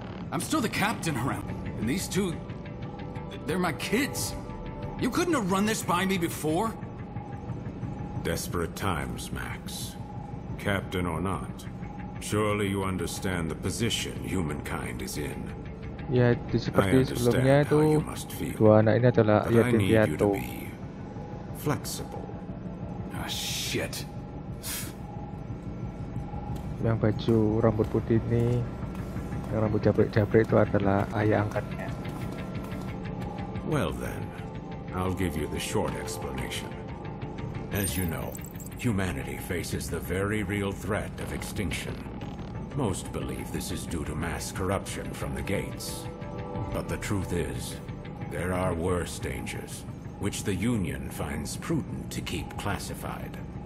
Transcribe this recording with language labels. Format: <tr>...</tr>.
<en>I'm still the captain around, and these two, they're my kids. You couldn't have run this by me before? Desperate times, Max. Captain or not, surely you understand the position humankind is in.</en> <id>Ya, seperti sebelumnya itu, dua anak ini adalah yatim piatu.</id> <en>Flexible. Ah, shit.</en> <id>Yang baju rambut putih ini, yang rambut jabrik-jabrik itu adalah ayah angkatnya.</id> <en>Well then, I'll give you the short explanation. As you know, humanity faces the very real threat of extinction. Most believe this is due to mass corruption from the gates. But the truth is, there are worse dangers, which the Union finds prudent to keep classified.</en>